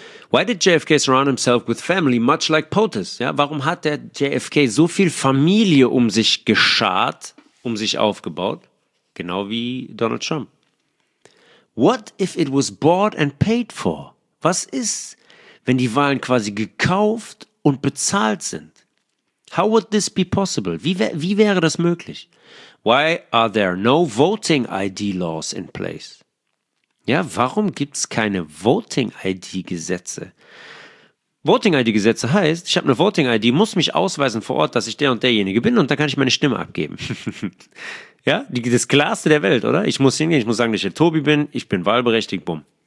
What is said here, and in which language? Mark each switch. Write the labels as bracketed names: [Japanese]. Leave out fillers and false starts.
[English] Why did JFK surround himself with family, much like POTUS? [German] Ja, warum hat der JFK so viel Familie um sich geschart, um sich aufgebaut? Genau wie Donald Trump. [English] What if it was bought and paid for? [German] Was ist, wenn die Wahlen quasi gekauft und bezahlt sind? [English] How would this be possible? [German] Wie wäre das möglich? [English] Why are there no voting ID laws in place? [German] Ja, warum gibt's keine Voting-ID-Gesetze? Voting-ID-Gesetze heißt, ich habe eine Voting-ID, muss mich ausweisen vor Ort, dass ich der und derjenige bin und dann kann ich meine Stimme abgeben. Ja, das Klarste der Welt, oder? Ich muss hingehen, ich muss sagen, dass ich der Tobi bin, ich bin wahlberechtigt, bumm.